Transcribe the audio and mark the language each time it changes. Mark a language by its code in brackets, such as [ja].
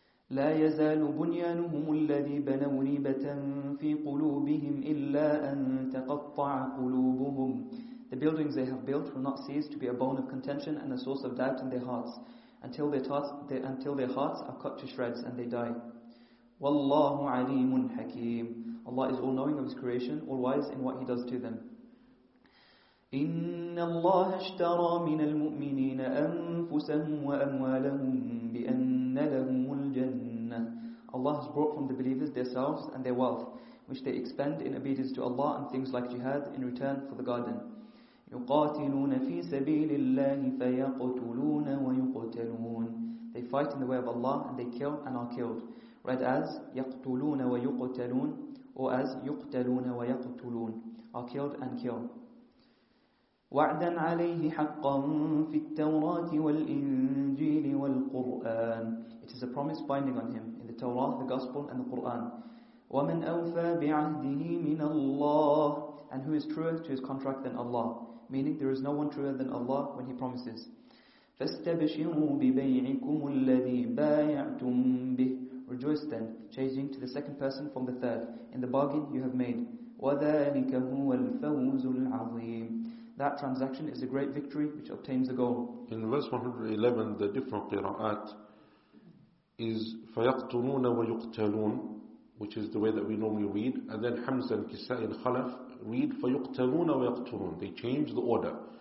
[ar] لا يزال بنيانهم الذي بنوا ريبة في قلوبهم إلا أن تقطع قلوبهم. [en] The buildings they have built will not cease to be a bone of contention and a source of doubt in their hearts, until their hearts are cut to shreds and they die. [ar] والله عليم حكيم. [en] Allah is all knowing of His creation, all wise in what He does to them. [ar] إِنَّ اللَّهَ اشْتَرَى مِنَ الْمُؤْمِنِينَ أَنفُسَهُمْ وَأَمْوَالَهُمْ بِأَنَّ لَهُمُ الْجَنَّةِ. [en] Allah has brought from the believers their selves and their wealth, which they expend in obedience to Allah and things like jihad in return for the garden. [ar] يُقَاتِلُونَ فِي سَبِيلِ اللَّهِ فَيَقْتُلُونَ وَيُقْتَلُونَ. [en] They fight in the way of Allah and they kill and are killed. Read as [ar] يَقْتُلُونَ وَيُقْتَلُونَ, [en] or as [ar] يُقْتَلُونَ وَيَقْتُلُونَ, [en] are killed and kill. [ar] وعدا عليه حقا في التوراة والإنجيل والقرآن. [en] It is a promise binding on him in the Torah, the Gospel, and the Quran. [ar] ومن أوفى بعهده من الله. [en] And who is truer to his contract than Allah? Meaning there is no one truer than Allah when he promises. [ar] فاستبشروا ببيعكم الذي بايعتم به. [en] Rejoice then, changing to the second person from the third, in the bargain you have made. [ar] وذلك هو الفوز العظيم. [en] That transaction is a great victory which obtains the goal. In verse 111, the different qira'at is [ar] فَيَقْتُلُونَ وَيُقْتَلُونَ, [en] which is the way that we normally read, and then Hamza and Kisa'i and Khalaf read [ar] فَيُقْتَلُونَ وَيَقْتَلُونَ. [en] They change the order.